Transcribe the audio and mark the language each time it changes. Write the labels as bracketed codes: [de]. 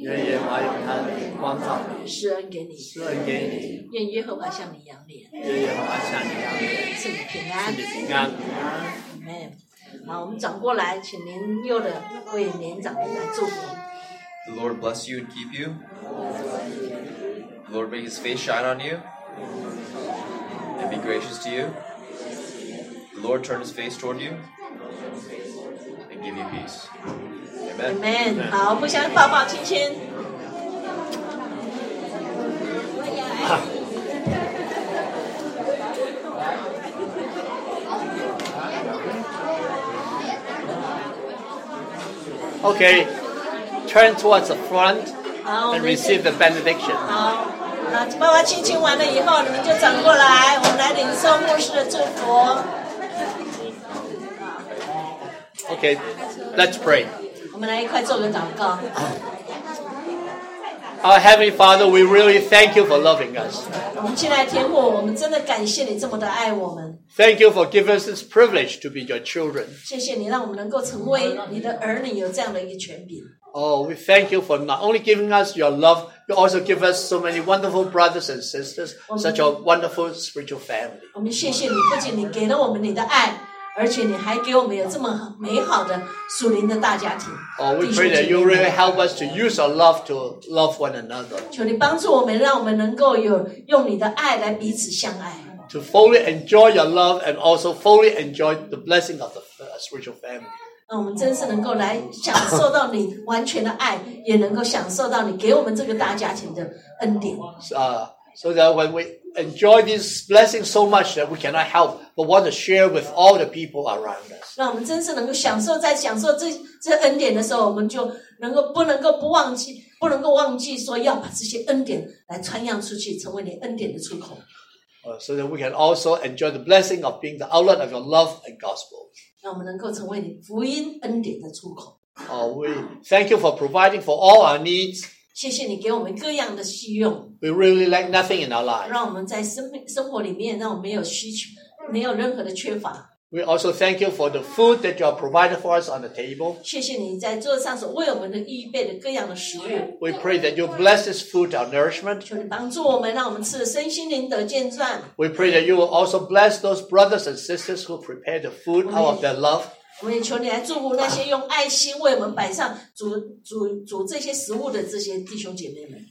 [zh] 愿耶和华用他的脸光照你，施恩给你，施恩给你，愿耶和华向你扬脸，愿耶和华向你扬脸，赐你平安，赐你平安，阿门。好，我们转过来，请年幼的为年长的来祝福。 [en] The Lord bless you and keep you. The Lord make his face shine on you and be gracious to you. The Lord turn his face toward you and give you peace. Amen. Amen. Amen. [zh] 好，互相抱抱亲亲。 [en] Okay. Turn towards the front and receive the benediction. [zh] 好，爸爸亲亲完了以后，你们就转过来，我们来领受牧师的祝福。 [en] Okay, let's pray. [zh] 我们来一块做个祷告。 [en] Our Heavenly Father, we really thank you for loving us. [zh] 我们亲爱的天父，我们真的感谢你这么的爱我们。 [en] Thank you for giving us this privilege to be your children. [zh] 谢谢你让我们能够成为你的儿女，有这样的一个权柄。 [en] Oh, we thank you for not only giving us your love, you also give us so many wonderful brothers and sisters, such a wonderful spiritual family. [zh] 我们谢谢你，不仅你给了我们你的爱，而且你还给我们有这么美好的属灵的大家庭。 [en] Oh, we pray that you really help us to use our love to love one another. [zh] 求你帮助我们，让我们能够有用你的爱来彼此相爱。 [en] To fully enjoy your love and also fully enjoy the blessing of the spiritual family. [zh] 让我们真是能够来享受到你完全的爱，也能够享受到你给我们这个大家庭的恩典。 [en] So that when we enjoy this blessing so much that we cannot help but want to share with all the people around us. [zh] 让我们真是能够享受在享受 这恩典的时候，我们就能够不能够不忘记，不能够忘记说要把这些恩典来传扬出去，成为你恩典的出口。 [en] So that we can also enjoy the blessing of being the outlet of your love and gospel. [zh] 让我们能够成为你福音恩典的出口。 [en] Oh, we thank you for providing for all our needs. [zh] 谢谢你给我们各样的需用。 [en] We really lack nothing in our lives. [zh] 让我们在生活里面，让我们没有需求，没有任何的缺乏。 [en] We also thank you for the food that you have provided for us on the table. [zh] 谢谢你在桌上所为我们的预备的各样的食物。 [en] We pray that you bless this food, our nourishment. [zh] 求你帮助我们，让我们吃的身心灵得健壮。 [en] We pray that you will also bless those brothers and sisters who prepare the food out of their love. [zh] 我们也求你来祝福那些用爱心为我们摆上煮这些食物的这些弟兄姐妹们。